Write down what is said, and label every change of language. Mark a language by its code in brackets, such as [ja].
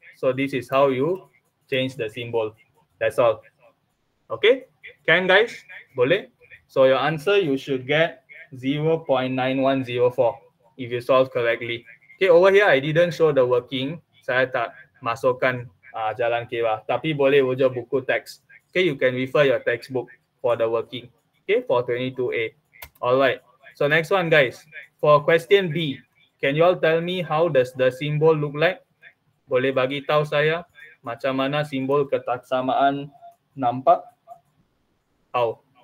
[en] So this is how you change the symbol. That's all. Okay? Can, guys? Boleh? So your answer, you should get 0.9104 if you solve correctly. Okay, over here, I didn't show the working. [ms] Saya tak masukkan jalan kira. Tapi boleh wujud buku teks. [en] Okay, you can refer your textbook for the working. Okay, for 22A. Alright. So next one, guys. For question B, can you all tell me how does the symbol look like? [ms] Boleh bagi tahu saya macam mana simbol ketaksamaan nampak? How?